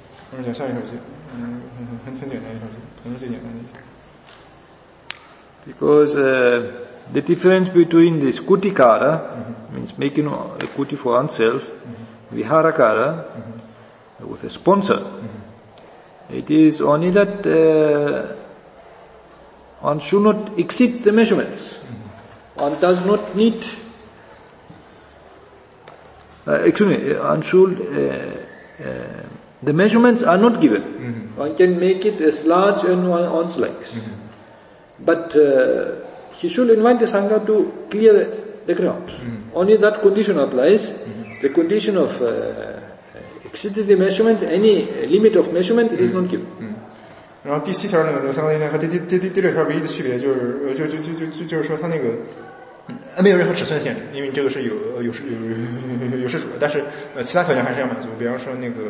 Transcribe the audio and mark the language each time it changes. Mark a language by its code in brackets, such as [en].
[zh] 下面讲下一条线，很简单一条线，可能是最简单的一条。 [en] Because the difference between this kutikara, means making a kuti for oneself, viharakara, with a sponsor, it is only that one should not exceed the measurements. One does not need, the measurements are not given. One can make it as large as one's legs. But he should invite the Sangha to clear the ground. Only that condition applies. The condition of exceeding the measurement, any limit of measurement is not given. [zh] 然后第七条呢，那个三个应该和第六条唯一的区别就是说他那个没有任何尺寸限制，因为这个是有事主的，但是其他条件还是要满足。比方说那个。